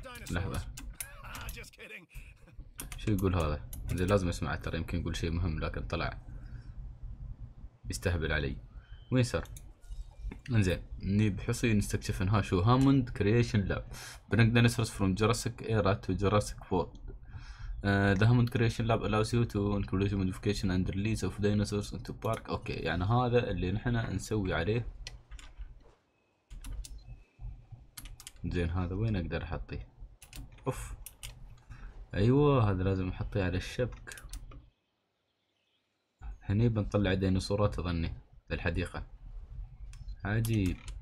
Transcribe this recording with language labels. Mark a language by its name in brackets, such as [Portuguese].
[Arabic] لحظة، شو يقول هذا؟ إذا لازم أسمع، ترى يمكن يقول شيء مهم، لكن طلع يستهبل علي. وين صار؟ إنزين، نجيب حصي نستكشف. إنها شو؟ هاموند كرييشن لاب. [English] Bring dinosaurs from Jurassic era to Jurassic world. The Hammond Creation Lab allows you to include modification and release of dinosaurs into park. [Arabic] أوكي، يعني هذا اللي نحنا نسوي عليه. زين، هذا وين اقدر احطيه؟ اوف، ايوه هذا لازم احطيه على الشبك. هني بنطلع ديناصورات اظني للحديقة. عجيب.